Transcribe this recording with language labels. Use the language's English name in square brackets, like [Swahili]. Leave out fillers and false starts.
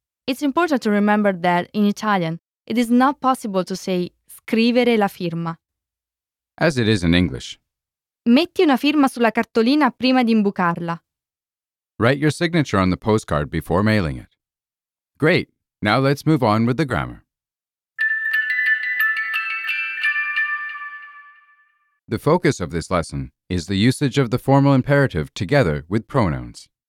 [English] It's important to remember that in Italian, it is not possible to say [Italian] scrivere la firma. [English] As it is in English. [Italian] Metti una firma sulla cartolina prima di imbucarla. [English] Write your signature on the postcard before mailing it. Great, now let's move on with the grammar. The focus of this lesson is the usage of the formal imperative together with pronouns.